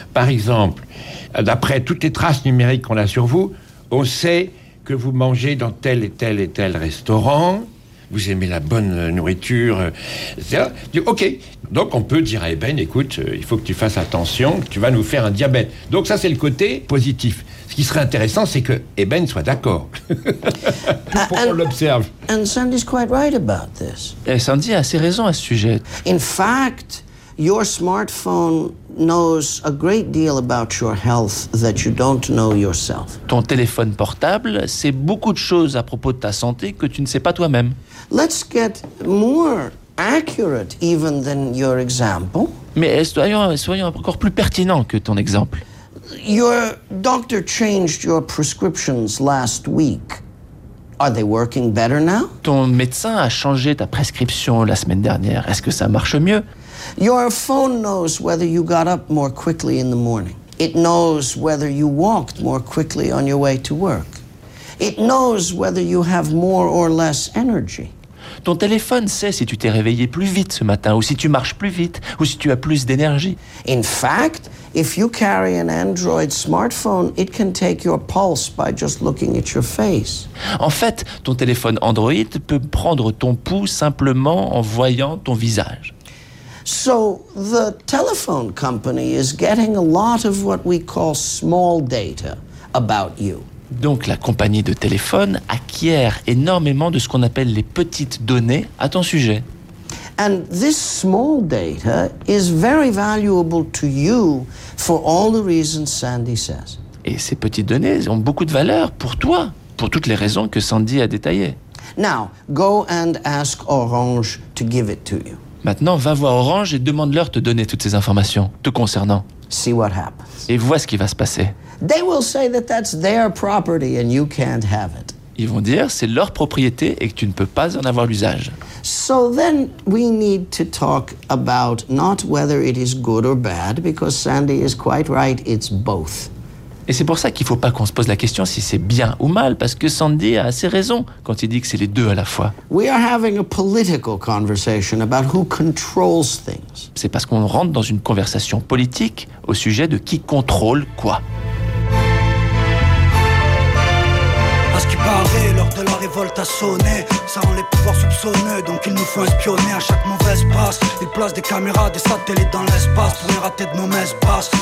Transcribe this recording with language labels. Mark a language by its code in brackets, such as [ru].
[fr] Par exemple, d'après toutes les traces numériques qu'on a sur vous, on sait que vous mangez dans tel et tel et tel restaurant, vous aimez la bonne nourriture, etc. » Ok, donc on peut dire à Eben, écoute, il faut que tu fasses attention, tu vas nous faire un diabète. Donc ça, c'est le côté positif. Ce qui serait intéressant, c'est que Eben soit d'accord. Pour qu'on l'observe. [en] And Sandy's quite right about this. [fr] Et Sandy a assez raison à ce sujet. [en] In fact, your smartphone knows a great deal about your health that you don't know yourself. [fr] Ton téléphone portable sait beaucoup de choses à propos de ta santé que tu ne sais pas toi-même. [en] Let's get more accurate even than your example. [fr] Mais soyons encore plus pertinents que ton exemple. [en] Your doctor changed your prescriptions last week. Are they working better now? [fr] Ton médecin a changé ta prescription la semaine dernière. Est-ce que ça marche mieux? [en] Your phone knows whether you got up more quickly in the morning. It knows whether you walked more quickly on your way to work. It knows whether you have more or less energy. [fr] Ton téléphone sait si tu t'es réveillé plus vite ce matin, ou si tu marches plus vite, ou si tu as plus d'énergie. [en] In fact, if you carry an Android smartphone, it can take your pulse by just looking at your face. [fr] En fait, ton téléphone Android peut prendre ton pouls simplement en voyant ton visage. [en] So the telephone company is getting a lot of what we call small data about you. [fr] Donc la compagnie de téléphone acquiert énormément de ce qu'on appelle les petites données à ton sujet. [en] And this small data is very valuable to you for all the reasons Sandy says. [fr] Et ces petites données ont beaucoup de valeur pour toi, pour toutes les raisons que Sandy a détaillées. [en] Now, go and ask Orange to give it to you. [fr] Maintenant, va voir Orange et demande-leur de donner toutes ces informations te concernant. [en] See what happens. [fr] Et vois ce qui va se passer. [en] They will say that that's their property and you can't have it. [fr] Ils vont dire c'est leur propriété et que tu ne peux pas en avoir l'usage. [en] So then we need to talk about not whether it is good or bad, because Sandy is quite right, it's both. [fr] Et c'est pour ça qu'il ne faut pas qu'on se pose la question si c'est bien ou mal, parce que Sandy a assez raison quand il dit que c'est les deux à la fois. [en] We are having a political conversation about who controls things. [fr] C'est parce qu'on rentre dans une conversation politique au sujet de qui contrôle quoi. À ce qui paraît, l'heure de la révolte a sonné. Ça rend les pouvoirs soupçonneux, donc il nous faut espionner à chaque mauvaise passe. Ils placent des caméras, des satellites dans l'espace pour les rater de nos messes basses.